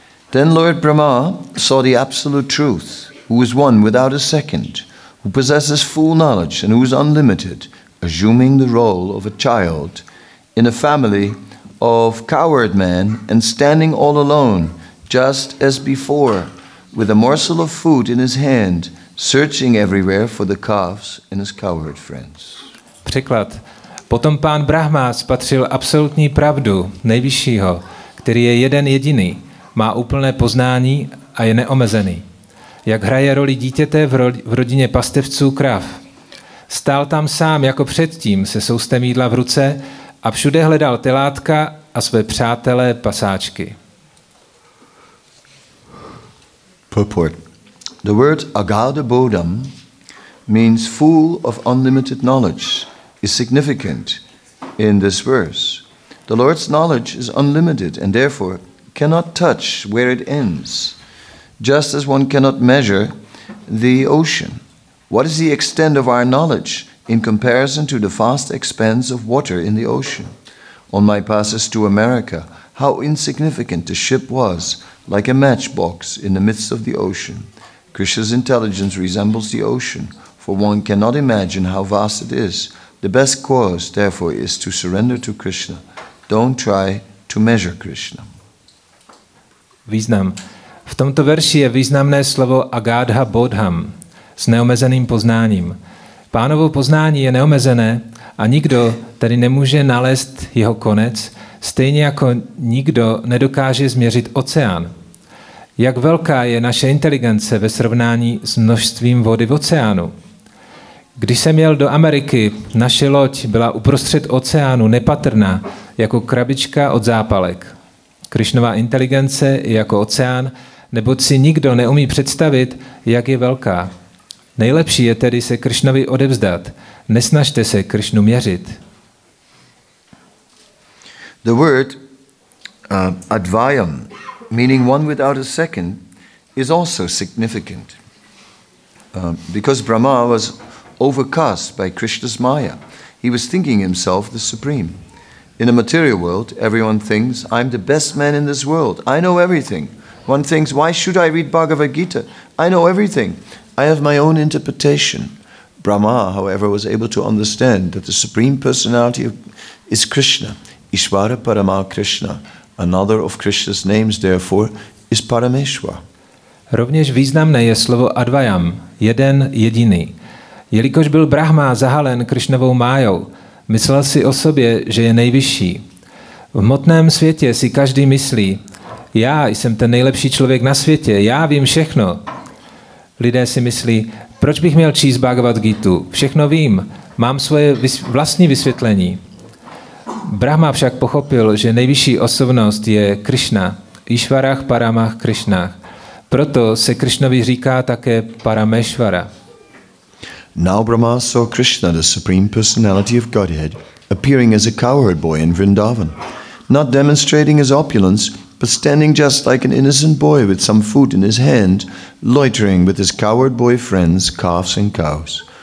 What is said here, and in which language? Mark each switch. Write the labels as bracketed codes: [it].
[en] Then Lord Brahma saw the absolute truth, who is one without a second, who possesses full knowledge and who is unlimited, assuming the role of a child in a family of coward men and standing all alone, just as before, with a morsel of food in his hand, searching everywhere for the calves and his coward friends. [cs] Překlad. Potom pán Brahma spatřil absolutní pravdu nejvyššího, který je jeden jediný, má úplné poznání a je neomezený. Jak hraje roli dítěte v rodině pastevců krav. Stál tam sám jako předtím se soustem jídla v ruce a všude hledal telátka a své přátelé pasáčky. [en] Purport. The word agadabodham means full of unlimited knowledge is significant in this verse. The Lord's knowledge is unlimited and therefore cannot touch where it ends, just as one cannot measure the ocean. What is the extent of our knowledge in comparison to the vast expanse of water in the ocean? On my passes to America, how insignificant the ship was, like a matchbox in the midst of the ocean. Krishna's intelligence resembles the ocean, for one cannot imagine how vast it is. The best course, therefore, is to surrender to Krishna. Don't try to measure Krishna. [cs] Význam. V tomto verši je významné slovo agadha bodham, s neomezeným poznáním. Pánovo poznání je neomezené a nikdo tedy nemůže nalézt jeho konec, stejně jako nikdo nedokáže změřit oceán. Jak velká je naše inteligence ve srovnání s množstvím vody v oceánu? Když jsem jel do Ameriky, naše loď byla uprostřed oceánu nepatrná, jako krabička od zápalek. Krišnová inteligence je jako oceán, neboť si nikdo neumí představit, jak je velká. Nejlepší je tedy se Krišnovi odevzdat. Nesnažte se Krišnu měřit. [en] The word advayam, meaning one without a second, is also significant. Because Brahma was overcast by Krishna's maya, he was thinking himself the supreme. In a material world, everyone thinks, I'm the best man in this world. I know everything. One thinks, why should I read Bhagavad Gita? I know everything. I have my own interpretation. Brahma, however, was able to understand that the supreme personality is Krishna. Ishvara Parama Krishna, another of Krishna's names, therefore, is Parameshwar. [cs] Rovněž významné je slovo advayam, jeden jediný. Jelikož byl Brahma zahalen Krishnovou májou, myslel si o sobě, že je nejvyšší. V hmotném světě si každý myslí, já jsem ten nejlepší člověk na světě, já vím všechno. Lidé si myslí, proč bych měl číst Bhagavad Gita, všechno vím, mám svoje vlastní vysvětlení. Brahma však pochopil, že nejvyšší osobnost je Krishna, Ishvarah Paramah Krishnah. Proto se Krishnovi říká také Parameshvara. [en] Now Brahma saw Krishna, the supreme personality of Godhead, appearing as a cowherd boy in Vrindavan, not demonstrating his opulence, but standing just like an innocent boy with some food in his hand, loitering with his cowherd boy friends, calves and cows.